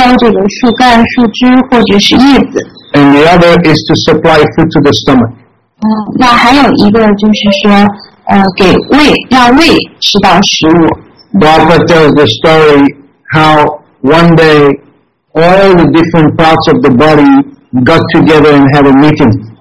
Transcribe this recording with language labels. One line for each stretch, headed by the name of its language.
Chinese: 好，在这里就是有两个比喻，一个就是说给树浇水，那这个浇水呢，一定要浇在那个根上，而不是单独的去浇这个树干、树枝或者是叶子。
English: And the other is to supply food to the stomach.
Chinese: 那还有一个就是说，给胃，让胃吃到食物。
English: Prabhupada tells the story how one day all the different parts of the body got together and had a meeting.